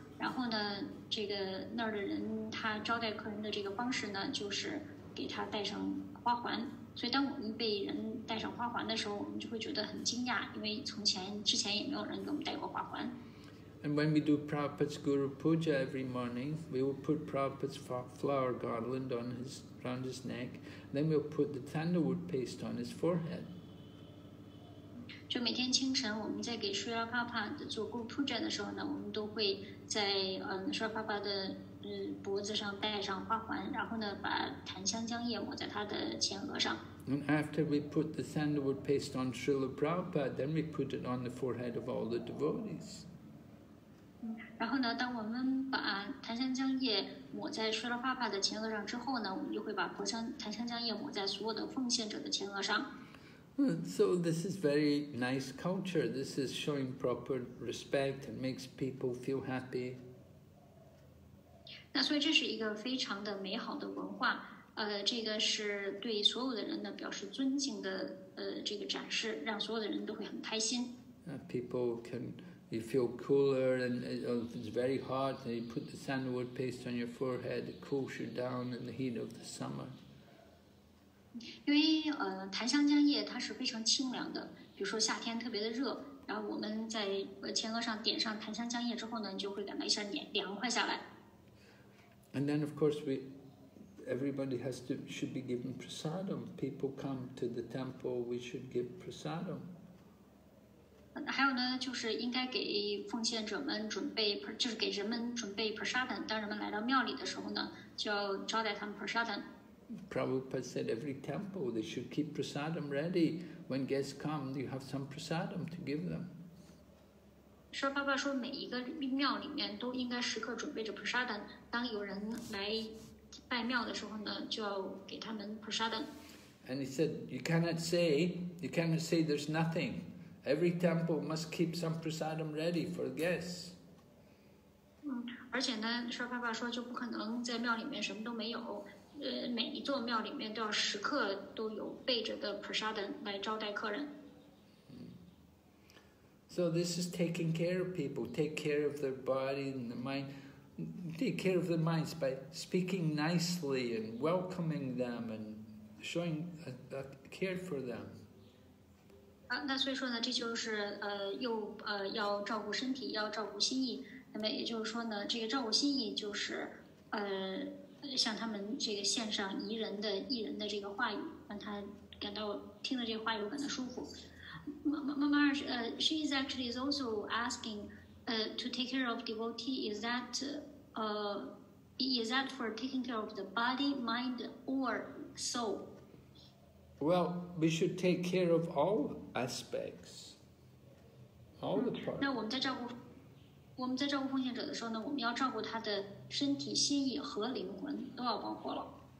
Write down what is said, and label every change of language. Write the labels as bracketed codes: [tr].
[zh] 然后呢，这个那儿的人他招待客人的这个方式呢，就是给他戴上花环。所以当我们被人戴上花环的时候，我们就会觉得很惊讶，因为之前也没有人给我们戴过花环。 [en] And when we do Prabhupada's Guru Puja every morning, we will put Prabhupada's flower garland on his round his neck, then we'll put the sandalwood paste on his forehead. [zh] 就每天清晨我们在给 Shri Prabhupada 做 Guru Puja 的时候呢，我们都会在Shri Prabhupada 的脖子上戴上花环，然后呢把檀香浆液抹在他的前额上。 [en] And after we put the sandalwood paste on Srila Prabhupada, then we put it on the forehead of all the devotees. [zh] 然后呢，当我们把檀香浆液抹在 Srila Prabhupada 的前额上之后呢，我们就会把檀香浆液抹在所有的奉献者的前额上。 [en] So this is very nice culture. This is showing proper respect and makes people feel happy. [zh] 那所以这是一个非常的美好的文化。这个是对所有的人呢表示尊敬的这个展示，让所有的人都会很开心。 [en] People can you feel cooler and it's very hot. And you put the sandalwood paste on your forehead, it cools you down in the heat of the summer. [zh] 因为檀香浆液它是非常清凉的，比如说夏天特别的热，然后我们在前额上点上檀香浆液之后呢，就会感到一下凉快下来。 [en] And then of course Everybody should be given prasadam. People come to the temple, we should give prasadam. [zh] 还有呢，就是应该给奉献者们准备，就是给人们准备 prasadam. 当人们来到庙里的时候呢，就要招待他们 prasadam. [en] Prabhupada said every temple, they should keep prasadam ready. When guests come, you have some prasadam to give them. [zh] 释迦牟尼佛说每一个庙里面都应该时刻准备着 prasadam. 当有人来拜庙的时候呢，就要给他们 prasadam。 [en] And he said, you cannot say there's nothing. Every temple must keep some prasadam ready for guests. [zh] 而且呢，释迦牟尼佛说就不可能在庙里面什么都没有。每一座庙里面都要时刻都有备着的 prasadam 来招待客人。 [en] So this is taking care of people, take care of their body and the mind. Take care of their minds by speaking nicely and welcoming them and showing a care for them. [zh] 那所以说呢，这就是又要照顾身体，要照顾心意。那么也就是说呢，这个照顾心意就是向他们这个献上宜人的益人的这个话语，让他感到听了这个话语感到舒服。 [en] Maharaj, she is actually is also asking. To take care of devotee, is that for taking care of the body, mind, or soul? Well, we should take care of all aspects, all the parts. [zh] 那我们在照顾奉献者的时候呢，我们要照顾他的身体、心意和灵魂，都要包括了。